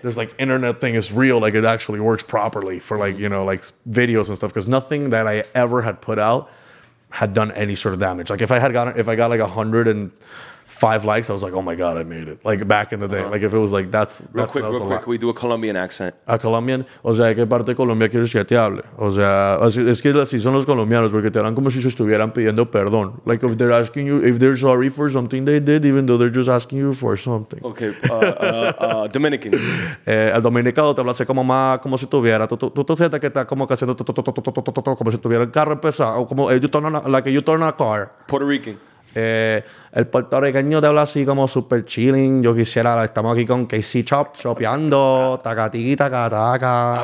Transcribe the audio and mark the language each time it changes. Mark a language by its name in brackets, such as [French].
[English] This like internet thing is real. Like it actually works properly for like mm-hmm. you know like videos and stuff. Because nothing that I ever had put out had done any sort of damage. Like if I got like 105 likes, I was like, oh my god, I made it. Like back in the day, like if it was like that's real quick. Can we do a Colombian accent? A Colombian? [Spanish] O sea, ¿qué parte de Colombia quieres que te hable? O sea, es que si son los colombianos, porque te hablan como si se estuvieran pidiendo perdón. [English] Like if they're asking you, if they're sorry for something they did, even though they're just asking you for something. Okay, Dominican. [Spanish] El dominicano te habla así como más, como si estuviera. Tú sientes que está como que haciendo como si estuviera el carro empezado. [English] Como you turn a car. Puerto Rican. [Spanish] El puertorriqueño te habla así como [English] super chilling. [Spanish] Yo quisiera, estamos aquí con Casey Chop, chopeando, tacatiqui, tacataca.